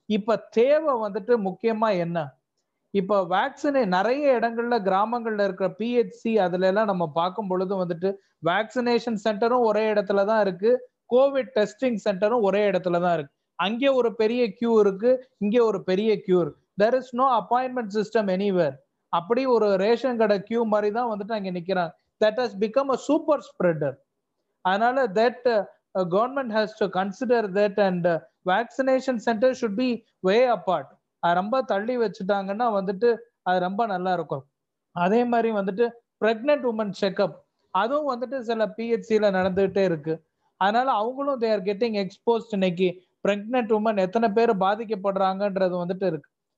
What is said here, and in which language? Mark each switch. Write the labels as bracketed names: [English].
[Tamil] இப்போ தேவை வந்துட்டு முக்கியமாக என்ன, இப்போ வேக்சினேஷன் நிறைய இடங்கள்ல கிராமங்களில் இருக்கிற பிஹெச்சி அதுல எல்லாம் நம்ம பார்க்கும் பொழுது வந்துட்டு வேக்சினேஷன் சென்டரும் ஒரே இடத்துல தான் இருக்கு, கோவிட் டெஸ்டிங் சென்டரும் ஒரே இடத்துல தான் இருக்கு. அங்கே ஒரு பெரிய கியூ இருக்கு, இங்கே ஒரு பெரிய கியூ இருக்கு. [English] There is no appointment system anywhere. [Tamil] அப்படி ஒரு ரேஷன் கடை கியூ மாதிரி தான் வந்துட்டு அங்கே நிற்கிறாங்க. [English] That has become a super spreader. அதனால that government has to consider that and vaccination center should be way apart. [Tamil] அது ரொம்ப தள்ளி வச்சுட்டாங்கன்னா வந்துட்டு அது ரொம்ப நல்லா இருக்கும். அதே மாதிரி வந்துட்டு ப்ரெக்னென்ட் உமன் செக்அப், அதுவும் வந்துட்டு சில பிஹெச்சியில நடந்துகிட்டே இருக்கு. அதனால அவங்களும் [English] They are getting exposed. [Tamil] இன்னைக்கு பிரெக்னென்ட் உமன் எத்தனை பேர் பாதிக்கப்படுறாங்கன்றது வந்துட்டு இருக்கு.